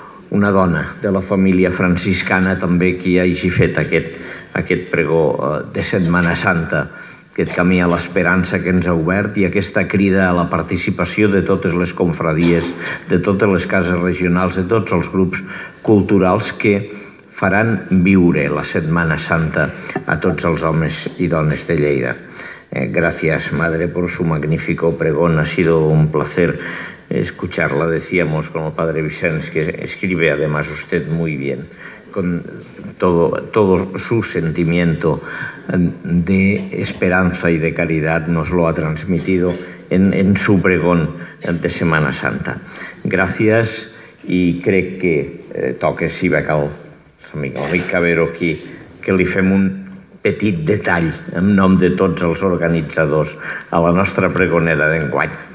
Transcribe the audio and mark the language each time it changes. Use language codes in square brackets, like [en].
[ca] una dona de la família franciscana també qui hagi fet aquest pregó de Setmana Santa, aquest camí a l'esperança que ens ha obert i aquesta crida a la participació de totes les confradies, de totes les cases regionals, de tots els grups culturals que faran viure la Setmana Santa a tots els homes i dones de Lleida. [es] Gràcies, Madre, por su magnífico pregón. Ha sido un placer escucharla, decíamos, con el Padre Vicenç, que escribe además usted muy bien, con todo su sentimiento de esperanza y de caridad nos lo ha transmitido en su pregón de Semana Santa. Gracias y creo que toque si va a caer el Cabero aquí, [ca] que le fem un petit detall en nom de tots els organitzadors a la nostra pregonera d'enguany.